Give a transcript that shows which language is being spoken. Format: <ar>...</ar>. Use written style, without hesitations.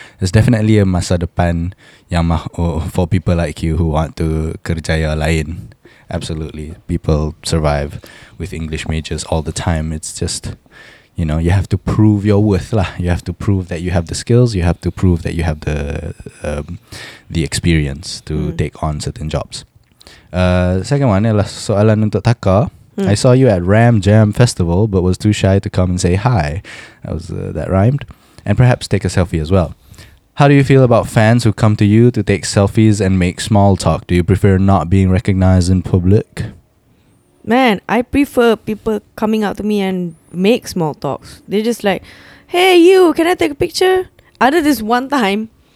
<en>There's definitely a</en> <ms>masa depan yang</ms> <en>for people like you who want to</en> <ms>kerjaya lain.</ms> <en>Absolutely, people survive with English majors all the time. It's just, you know, you have to prove your worth lah. You have to prove that you have the skills. You have to prove that you have the experience to take on certain jobs. Second one</en> <ms>ialah soalan untuk Taka.</ms> <en>I saw you at Ram Jam Festival, but was too shy to come and say hi. That was that rhymed. And perhaps take a selfie as well. How do you feel about fans who come to you to take selfies and make small talk? Do you prefer not being recognized in public? Man, I prefer people coming up to me and make small talks. They're just like, hey, you, can I take a picture? Other this one time,</en>